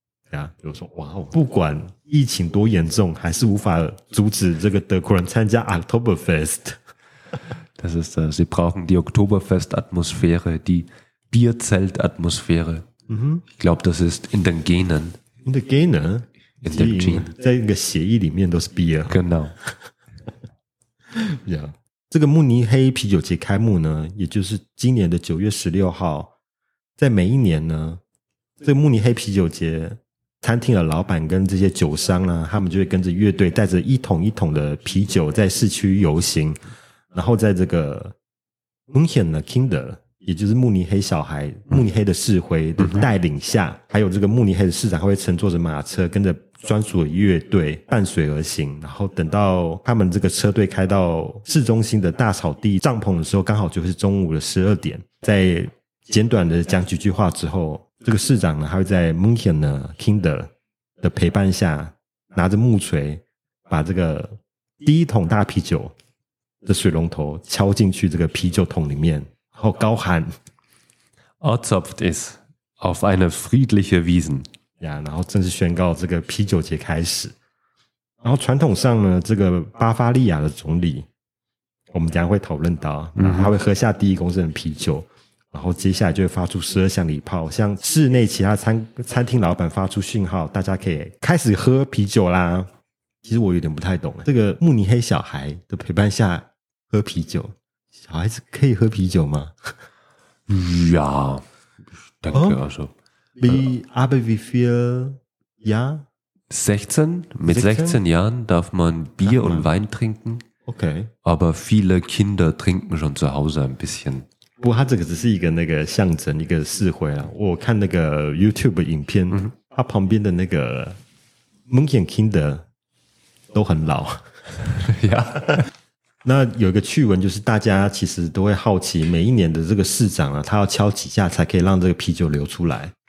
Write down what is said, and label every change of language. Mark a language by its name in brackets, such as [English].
[Chinese] 对啊比如说哇哦不管疫情多严重还是无法阻止这个德国人参加 Oktoberfest [German] Das ist、sie brauchen die Oktoberfest Atmosphäre die Bierzelt Atmosphäre、 mm-hmm. Ich glaube das ist in den Genen In den Genen? In den Genen [Chinese] 在一个血液里面都是 Bier [German] Genau Ja [Chinese] 这个慕尼黑啤酒节开幕呢，也就是今年的9月16号，在每一年呢，这个慕尼黑啤酒节餐厅的老板跟这些酒商呢，他们就会跟着乐队带着一桶一桶的啤酒在市区游行，然后在这个 München 的 Kinder， 也就是慕尼黑小孩、慕尼黑的市徽的带领下，还有这个慕尼黑的市长，他会乘坐着马车跟着专属的乐队伴随而行，然后等到他们这个车队开到市中心的大草地帐篷的时候，刚好就是中午的12点，在简短的讲几句话之后，这个市长呢，他会在 München 的 Kinder 的陪伴下，拿着木锤把这个第一桶大啤酒的水龙头敲进去这个啤酒桶里面，然后高喊 [German] Otzopft ist auf eine friedliche Wiesen， [Chinese] 然后正式宣告这个啤酒节开始。然后传统上呢，这个巴伐利亚的总理，我们等一下会讨论到，他会喝下第一公升的啤酒，然后接下来就会发出12响礼炮，向室内其他餐厅老板发出讯号，大家可以开始喝啤酒啦。其实我有点不太懂，这个慕尼黑小孩的陪伴下喝啤酒，小孩子可以喝啤酒吗？呀，等一下说。 [German] Wie, aber wie viel Jahr? 16. Mit 16 Jahren darf man Bier und Wein trinken. [English] Okay. [German] Aber viele Kinder trinken schon zu Hause ein bisschen. [Chinese] 不过他这个只是一个那个象征，一个示徽啦。我看那个 YouTube 影片，他旁边的那个 Munchen Kinder 都很老。 [English] Yeah. [Chinese] 那有一个趣闻，就是大家其实都会好奇，每一年的这个市长啊，他要敲几下才可以让这个啤酒流出来。